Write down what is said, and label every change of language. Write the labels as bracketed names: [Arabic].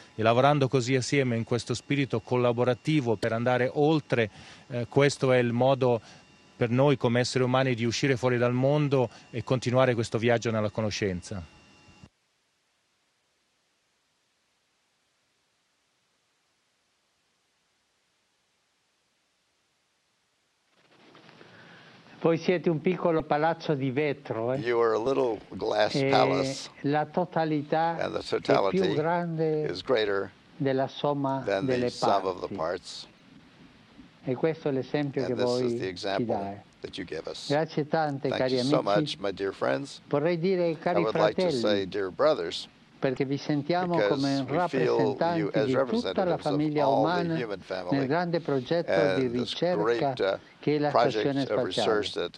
[Italian] E lavorando così assieme in questo spirito collaborativo per andare oltre, questo è il modo per noi come esseri umani di uscire fuori dal mondo e continuare questo viaggio nella conoscenza. Voi siete un piccolo palazzo di vetro, eh? [English] You are a little glass palace. [Italian] La totalità è più grande della somma delle parti. E questo è l'esempio che voi ci date. Grazie tante, cari amici. [English] Thank you so much, my dear friends. [Italian] Vorrei dire ai cari fratelli, perché vi sentiamo come rappresentanti di tutta la famiglia umana nel grande progetto di ricerca che è la stazione spaziale.